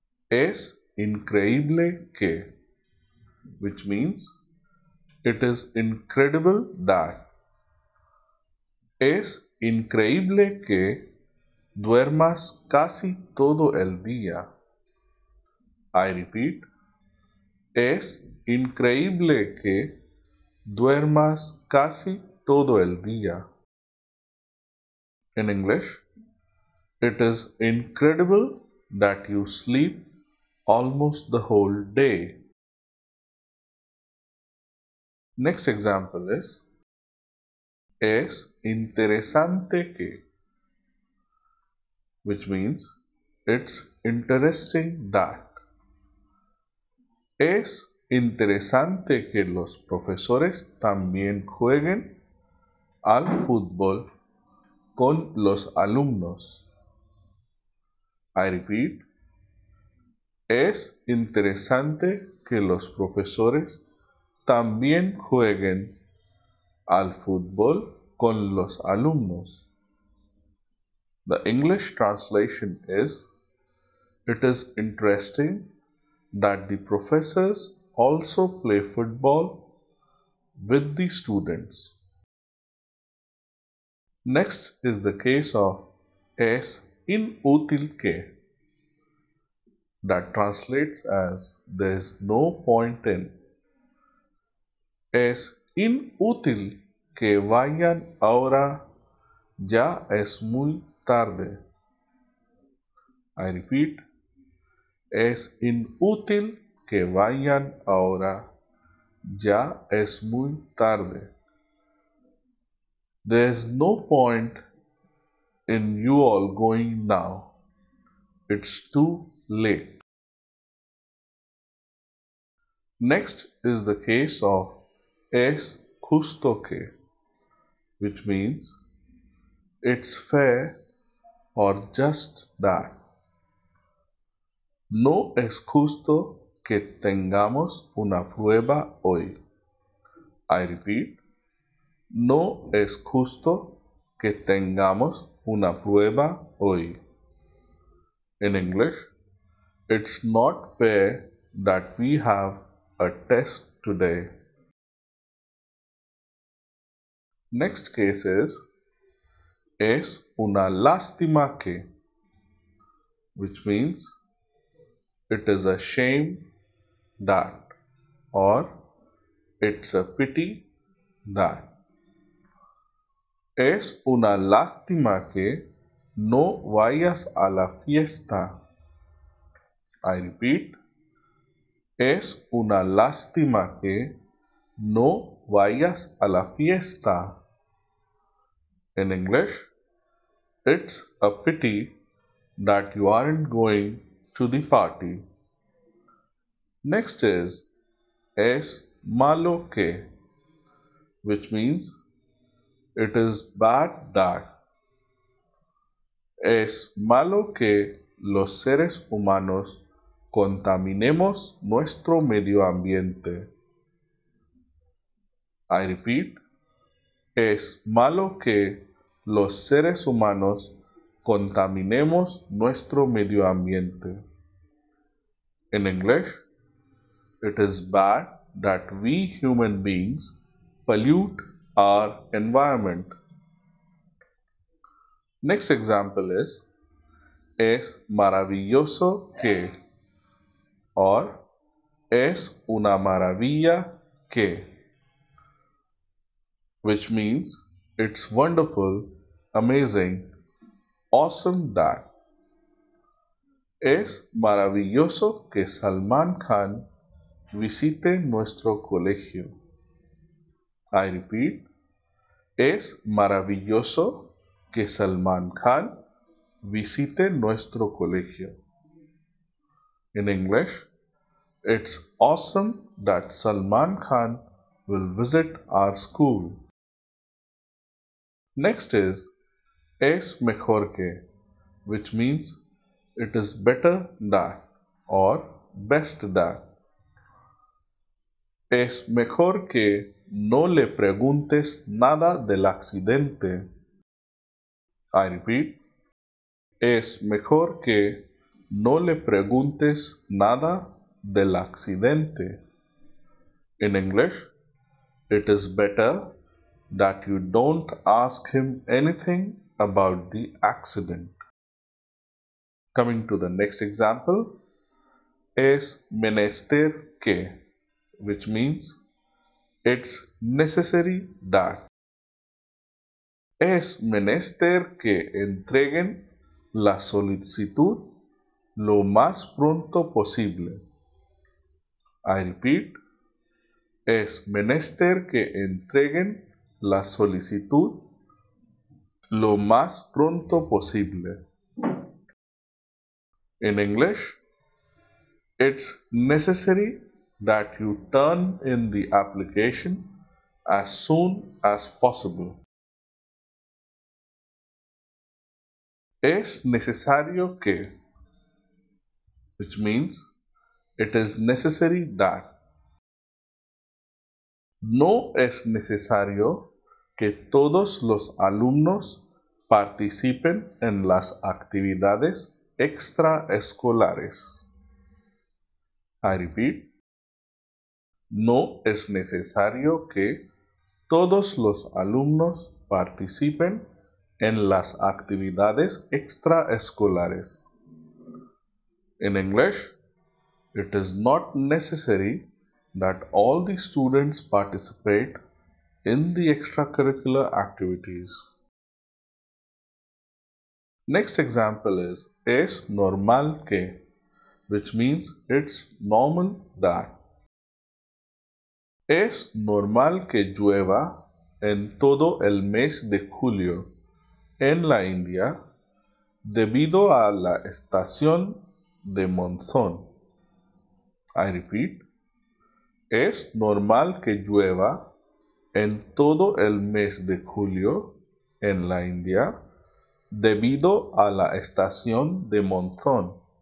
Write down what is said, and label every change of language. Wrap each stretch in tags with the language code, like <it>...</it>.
<es>Es increíble que,</es> <en>which means, it is incredible that.</en> <es>Es increíble que duermas casi todo el día.</es> <en>I repeat,</en> <es>es increíble que duermas casi todo el día.</es> <en>In English, it is incredible that you sleep almost the whole day. Next example is,</en> <es>es interesante que,</es> <en>which means, it's interesting that.</en> <es>Es interesante que los profesores también jueguen al fútbol con los alumnos.</es> <en>I repeat,</en> <es>es interesante que los profesores también jueguen al fútbol con los alumnos.</es> <en>The English translation is, it is interesting that the professors also play football with the students. Next is the case of</en> <es>es inútil que,</es> <en>that translates as there is no point in.</en> <es>Es inútil que vayan ahora, ya es muy tarde.</es> <en>I repeat,</en> <es>es inútil que vayan ahora, ya es muy tarde.</es> <en>There is no point in you all going now. It's too late. Next is the case of</en> <es>es justo que,</es> <en>which means it's fair or just that.</en> <es>No es justo que tengamos una prueba hoy.</es> <en>I repeat,</en> <es>no es justo que tengamos una prueba hoy.</es> <en>In English, it's not fair that we have a test today. Next case is,</en> <es>es una lástima que,</es> <en>which means, it is a shame that, or it's a pity that.</en> <es>Es una lástima que no vayas a la fiesta.</es> <en>I repeat,</en> <es>es una lástima que no vayas a la fiesta.</es> <en>In English, it's a pity that you aren't going to the party. Next is,</en> <es>es malo que,</es> <en>which means, it is bad that.</en> <es>Es malo que los seres humanos contaminemos nuestro medio ambiente.</es> <en>I repeat,</en> <es>es malo que los seres humanos contaminemos nuestro medio ambiente.</es> <en>In English, it is bad that we human beings pollute our environment. Next example is,</en> <es>es maravilloso que,</es> <en>or</en> <es>es una maravilla que,</es> <en>which means, it's wonderful, amazing, awesome that.</en> <es>Es maravilloso que Salman Khan visite nuestro colegio.</es> <en>I repeat,</en> <es>es maravilloso que Salman Khan visite nuestro colegio.</es> <en>In English, it's awesome that Salman Khan will visit our school. Next is,</en> <es>es mejor que,</es> <en>which means, it is better that or best that.</en> <es>Es mejor que no le preguntes nada del accidente.</es> <en>I repeat,</en> <es>es mejor que no le preguntes nada del accidente.</es> <en>In English, it is better that you don't ask him anything about the accident. Coming to the next example,</en> <es>es menester que,</es> <en>which means, it's necessary that.</en> <es>Es menester que entreguen la solicitud lo más pronto posible.</es> <en>I repeat,</en> <es>es menester que entreguen la solicitud lo más pronto posible.</es> <en>In English, it's necessary that you turn in the application as soon as possible.</en> <es>Es necesario que,</es> <en>which means, it is necessary that.</en> <es>No es necesario que todos los alumnos participen en las actividades extraescolares.</es> <en>I repeat,</en> <es>no es necesario que todos los alumnos participen en las actividades extraescolares.</es> <en>In English, it is not necessary that all the students participate in the extracurricular activities. Next example is,</en> <es>es normal que,</es> <en>which means, it's normal that.</en> <es>Es normal que llueva en todo el mes de julio en la India debido a la estación de monzón.</es> <en>I repeat,</en> <es>Es normal que llueva en todo el mes de julio en la India debido a la estación de monzón.</es>